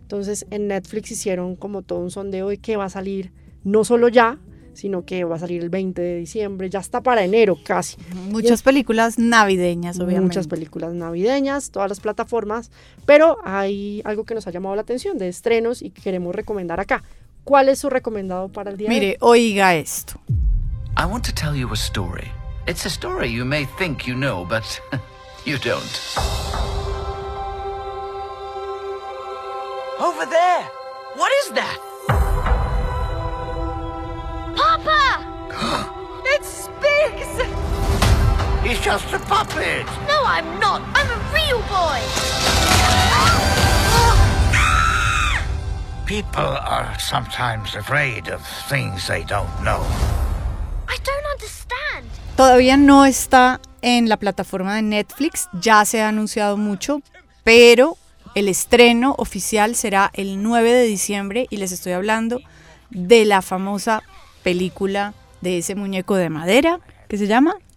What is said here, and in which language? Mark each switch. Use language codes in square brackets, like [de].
[es] Entonces en Netflix hicieron como todo un sondeo de que va a salir no solo ya, sino que va a salir el 20 de diciembre, ya está para enero casi. Muchas películas navideñas, obviamente. Muchas películas navideñas, todas las plataformas, pero hay algo que nos ha llamado la atención de estrenos y que queremos recomendar acá. ¿Cuál es su recomendado para el día Mire, de hoy? Mire, oiga esto. [en] I want to tell you a story. It's a story you may think you know, but you don't. Over there! What is that? Papa! It speaks! He's just a puppet! No, I'm not! I'm a real boy! People are sometimes afraid of things they don't know. I don't understand. [es] Todavía no está en la plataforma de Netflix. Ya se ha anunciado mucho, pero... El estreno oficial será el 9 de diciembre y les estoy hablando de la famosa película de ese muñeco de madera, ¿qué se llama?